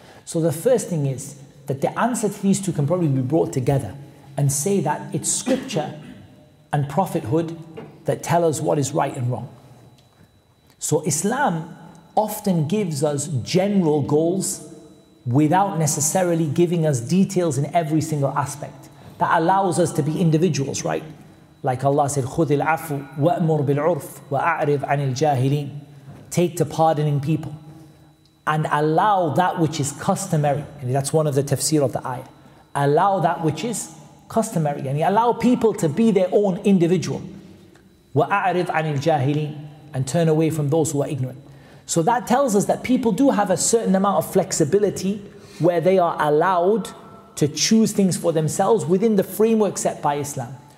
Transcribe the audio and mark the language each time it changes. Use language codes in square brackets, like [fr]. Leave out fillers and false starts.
[en] So the first thing is that the answer to these two can probably be brought together and say that it's scripture and prophethood that tell us what is right and wrong. So Islam often gives us general goals without necessarily giving us details in every single aspect. That allows us to be individuals, right? Like Allah said, [ar] خُذِ الْعَفُ وَأْمُرْ بِالْعُرْفِ وَأَعْرِفْ عَنِ الْجَاهِلِينَ. [en] Take to pardoning people and allow that which is customary. And that's one of the tafsir of the ayah. Allow that which is customary. And allow people to be their own individual. [ar] وَأَعْرِفْ عَنِ الْجَاهِلِينَ. [en] And turn away from those who are ignorant. So that tells us that people do have a certain amount of flexibility where they are allowed to choose things for themselves within the framework set by Islam.